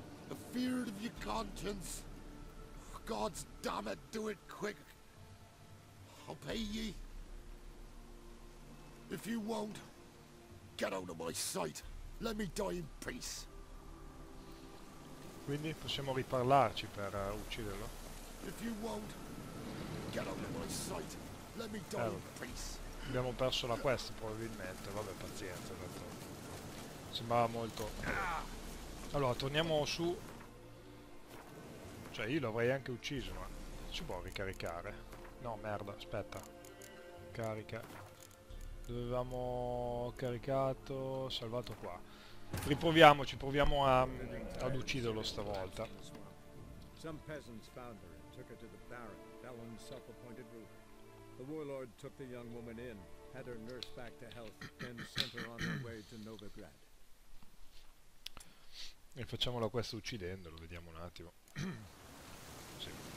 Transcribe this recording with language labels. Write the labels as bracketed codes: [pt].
[en] Afeared of your conscience. God's damn it, do it quick. I'll pay ye. If you won't, get out of my sight. Let me die in peace. [it] Quindi possiamo riparlarci per ucciderlo. [en] If you won't, get out of my sight. Let me die in peace. [it] Abbiamo perso la quest probabilmente, vabbè, pazienza, tanto. Sembrava molto. Allora, torniamo su. Cioè, io l'avrei anche ucciso, ma. Si può ricaricare? No, merda, aspetta. Carica. Dovevamo caricato. Salvato qua. Riproviamoci, proviamo a, ad ucciderlo stavolta. [en] Some peasants found her and took her to the Baron, Felon's self-appointed ruler. The warlord took the young woman in, had her nursed back to health, then sent her on her way to Novigrad. [it] E facciamola questa uccidendolo, vediamo un attimo. Sì.